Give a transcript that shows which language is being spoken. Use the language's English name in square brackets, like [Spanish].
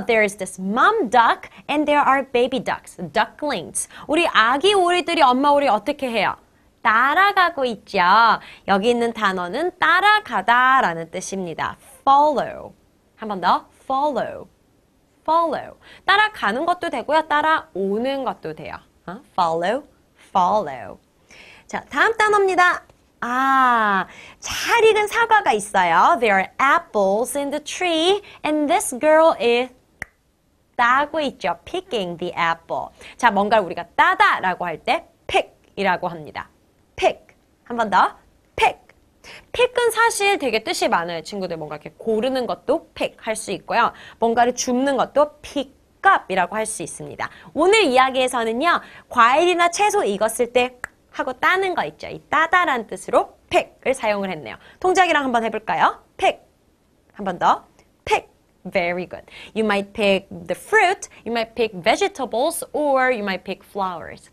[English] There is this mom duck and there are baby ducks, ducklings. [Korean] 우리 아기 오리들이 엄마 오리 어떻게 해요? 따라가고 있죠. 여기 있는 단어는 따라가다 라는 뜻입니다. [English] follow. [Korean] 한 번 더. [English] follow. follow. [Korean] 따라가는 것도 되고요. 따라오는 것도 돼요. follow. follow. 자, 다음 단어입니다. 아, 잘 익은 사과가 있어요. [English] There are apples in the tree and this girl is [Korean] 따고 있죠. [English] picking the apple. [Korean] 자, 뭔가를 우리가 따다 라고 할 때 pick 이라고 합니다. pick. 한 번 더. 픽은 사실 되게 뜻이 많아요. 친구들 뭔가 이렇게 고르는 것도 픽 할 수 있고요. 뭔가를 줍는 것도 픽. 이라고 할 수 있습니다. 오늘 이야기에서는요, 과일이나 채소 익었을 때 하고 따는 거 있죠. 이 따다란 뜻으로 pick을 사용을 했네요. 동작이랑 한번 해볼까요? [English] pick. [Korean] 한 번 더. [English] pick. Very good. You might pick the fruit, you might pick vegetables, or you might pick flowers.